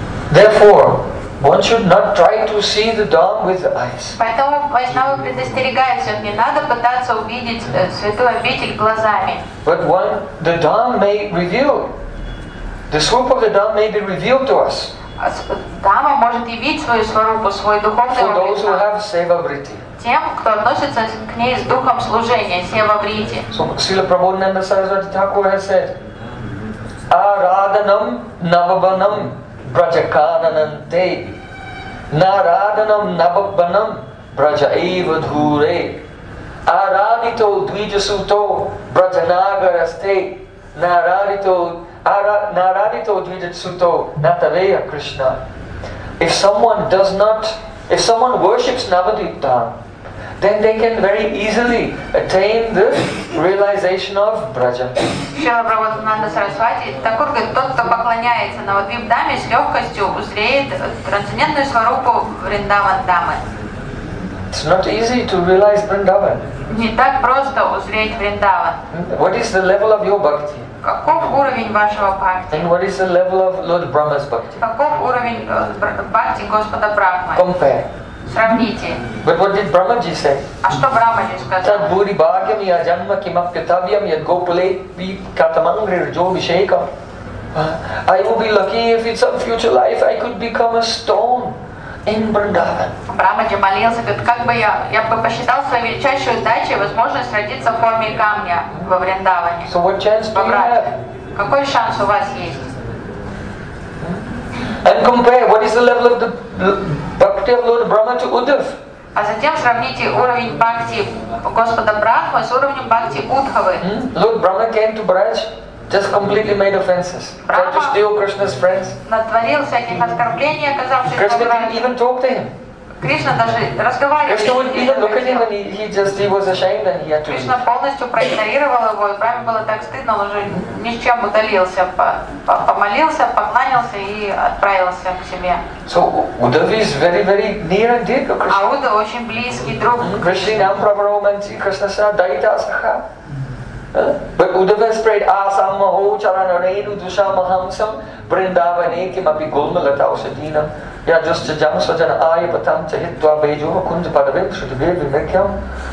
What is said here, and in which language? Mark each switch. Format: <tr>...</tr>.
<en>Therefore, one should not try to see the Dham with the eyes.</en> <ru>Поэтому Вайшнава предостерегает всех, не надо пытаться увидеть святую обитель глазами.</ru> <en>But one, the Dham may reveal, the swarup of the Dham may be revealed to us.</en> <ru>Дама может явить свою сварупу, свой духовный</ru> <en>For those who have Seva Vritti.</en> <ru>Тем, кто относится к ней с духом служения, сева-вритти.</ru> <en>So, Srila Prabodhananda Sarasvati Thakur has said,</en> <sa>Araadhanam Navabhanam Brajakananante Naradhanam Navabhanam Brajaivadhure Aradhito Dvijasuto Brajanagaraste Naradhito Dvijasuto Nataveya Krishna.</sa> <en>If someone worships Navadvipa, then they can very easily attain the realization of Braja.</en> <ru>Srila Prabhupada Sarasvati Thakur говорит, тот, кто поклоняется Навадвипа Даме, с легкостью узреет трансцендентную сварупу Вриндаван Дамы.</ru> <en>It's not easy to realize Vrindavan.</en> <ru>Не так просто узреть Вриндаван.</ru> <en>What is the level of your bhakti?</en> <ru>Каков уровень вашего бхакти?</ru> <en>And what is the level of Lord Brahma's bhakti?</en> <ru>Каков уровень бхакти Господа Брахмы?</ru> <en>Compare.</en> <ru>Сравните.</ru> <en>But what did Brahmaji say?</en> <ru>А что Брахмаджи сказал?</ru> <sa>Так бури бхагьям я жанма кимапьятавьям я гопле би катамангрир джо вишейкам.</sa> <en>I will be lucky if in some future life I could become a stone in Vrindavan.</en> <ru>Брахмаджи молился, говорит, как бы я бы посчитал своей величайшей удачей возможность родиться в форме камня во Вриндаване.</ru> <en>So what chance do you have?</en> <ru>Какой шанс у вас есть?</ru> <en>And compare what is the level of the bhakti of Lord Brahma to Uddhav.</en> <ru>А затем сравните уровень бхакти Господа Брахмы с уровнем бхакти Удхавы.</ru> <en>Lord Brahma came to Braj, just completely made offenses. Tried to steal Krishna's friends.</en> <ru>Натворил всяких оскорблений, оказавшись.</ru> <en>Krishna didn't even talk to him.</en> <ru>Кришна даже разговаривал.</ru> <en>Krishna wouldn't even look at him, and he was ashamed, and he had to.</en> <ru>Кришна полностью проигнорировал его, и Брахме было так стыдно, он уже ни с чем удалился, помолился, покланялся и отправился к себе.</ru> <en>So Uddhav is very, very near and dear to Krishna.</en> <ru>А Уддхава очень близкий друг.</ru> <sa>Krishna, Prabhu, Manti, Krishna, Daita, Saha.</sa> <en>But Uddhava</en> <sa>spread asama ho charana renu dusha mahamsam brindavane kim api gulmalata usadhinam ya just jama swajana ayipatam chahitva vejuha kunja padave shudhve vivekyam.</sa>